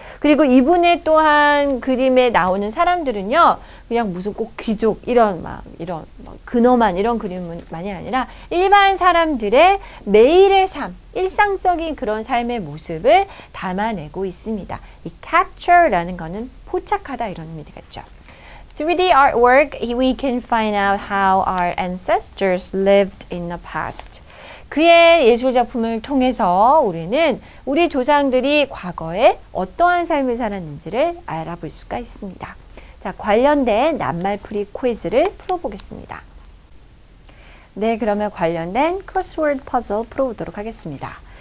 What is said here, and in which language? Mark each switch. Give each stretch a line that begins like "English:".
Korean: 그리고 이분의 또한 그림에 나오는 사람들은요, 그냥 무슨 꼭 귀족, 이런 막, 이런, 막 근엄한 이런 그림만이 아니라 일반 사람들의 매일의 삶, 일상적인 그런 삶의 모습을 담아내고 있습니다. 이 capture라는 거는 포착하다 이런 의미가 있죠.
English: 3D artwork, we can find out how our ancestors lived in the past.
Korean: 그의 예술 작품을 통해서 우리는 우리 조상들이 과거에 어떠한 삶을 살았는지를 알아볼 수가 있습니다. 자, 관련된 낱말풀이 퀴즈를 풀어보겠습니다. 네, 그러면 관련된 크로스워드 퍼즐 풀어보도록 하겠습니다.